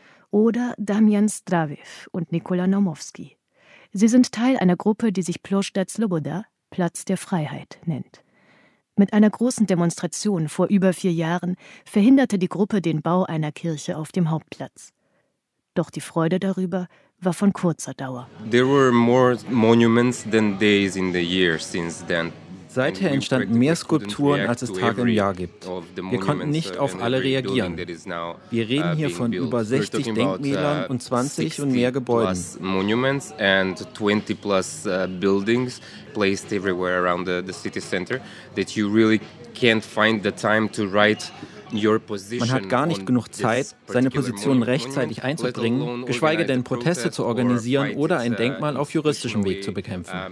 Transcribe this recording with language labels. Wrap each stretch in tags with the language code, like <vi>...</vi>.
<de>Oder Damian Straviv und Nikola Nomovski. Sie sind Teil einer Gruppe, die sich Ploštad Sloboda, Platz der Freiheit, nennt. Mit einer großen Demonstration vor über 4 Jahren verhinderte die Gruppe den Bau einer Kirche auf dem Hauptplatz. Doch die Freude darüber war von kurzer Dauer.</de> <en>There were more monuments than days in the year since then.</en> <de>Seither entstanden mehr Skulpturen, als es Tage im Jahr gibt. Wir konnten nicht auf alle reagieren. Wir reden hier von über 60 Denkmälern und 20 und mehr Gebäuden.</de> <en>Monuments and 20 plus buildings placed everywhere around the city center that you really can't find the time to write</en> <de>Man hat gar nicht genug Zeit, seine Position rechtzeitig einzubringen, geschweige denn Proteste zu organisieren oder ein Denkmal auf juristischem Weg zu bekämpfen.</de>